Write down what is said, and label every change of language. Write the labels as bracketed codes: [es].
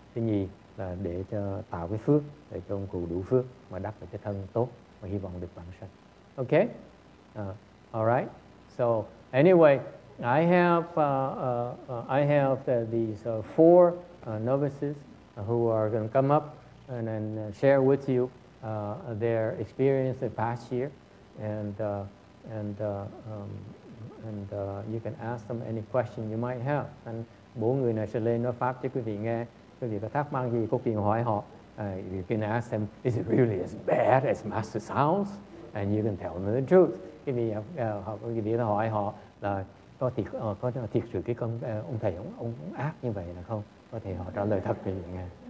[vi] Thứ nhì là để cho tạo cái phước để cho ông cụ đủ phước mà đắp được cái thân tốt và hy vọng được vãng sanh. [en] Okay, all right. So anyway, I have these four novices who are going to come up and then share with you their experience the past year, and you can ask them any question you might have. [vi] And bốn người này sẽ lên nói pháp cho quý vị nghe. Quý vị có thắc mắc gì, có quyền hỏi họ. [en] You can ask them, is it really as bad as Master sounds? And you can tell them the truth. [vi] Quý vị có hỏi họ là có thiệt sự cái con ông thầy ông ác như vậy là không? Có thể họ trả lời thật quý vị nghe.